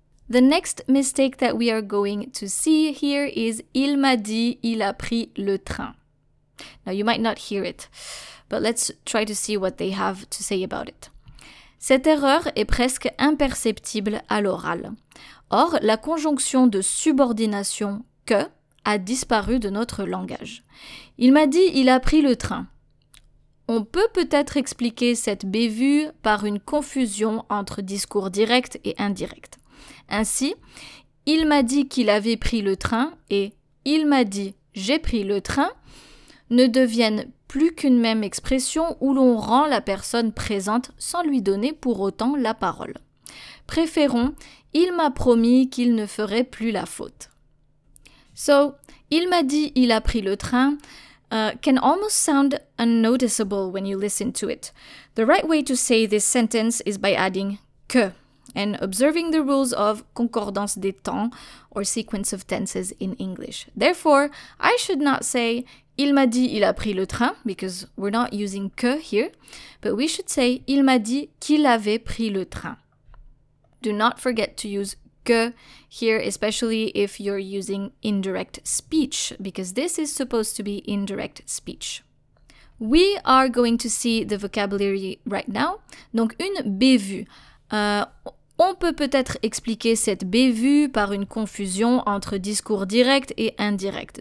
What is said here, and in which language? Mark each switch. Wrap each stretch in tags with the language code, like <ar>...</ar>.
<en>The next mistake that we are going to see here is</en> <fr>il m'a dit, il a pris le train.</fr> <en>Now, you might not hear it, but let's try to see what they have to say about it.</en> <fr>Cette erreur est presque imperceptible à l'oral. Or, la conjonction de subordination que a disparu de notre langage. Il m'a dit, il a pris le train. On peut peut-être expliquer cette bévue par une confusion entre discours direct et indirect. Ainsi, il m'a dit qu'il avait pris le train et il m'a dit j'ai pris le train ne deviennent plus qu'une même expression où l'on rend la personne présente sans lui donner pour autant la parole. Préférons, il m'a promis qu'il ne ferait plus la faute.</fr> <en>So,</en> <fr>il m'a dit il a pris le train.</fr> <en>Can almost sound unnoticeable when you listen to it. The right way to say this sentence is by adding que and observing the rules of</en> <fr>concordance des temps</fr> <en>or sequence of tenses in English. Therefore, I should not say</en> <fr>il m'a dit il a pris le train</fr> <en>because we're not using que here, but we should say</en> <fr>il m'a dit qu'il avait pris le train.</fr> <en>Do not forget to use que here, especially if you're using indirect speech, because this is supposed to be indirect speech. We are going to see the vocabulary right now.</en> <fr>Donc, une bévue. On peut peut-être expliquer cette bévue par une confusion entre discours direct et indirect.</fr>